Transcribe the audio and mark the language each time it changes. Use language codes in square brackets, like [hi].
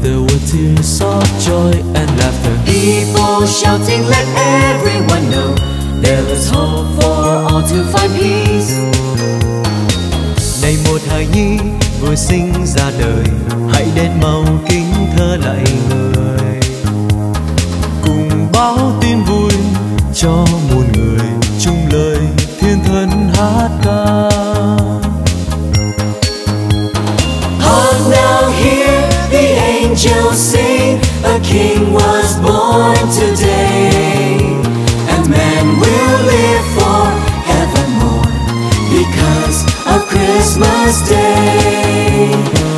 [en] there were tears of joy and laughter. People shouting, let everyone know, there is hope for all to find peace. [vi] Này một hài nhi vừa sinh ra đời, hãy đến mau kính thơ lại người, cùng báo tin vui cho muôn người, chung lời thiên thần hát ca. [en] Hark now, hear the angels sing, a king was born today, and man will live forevermore because of Christmas Day.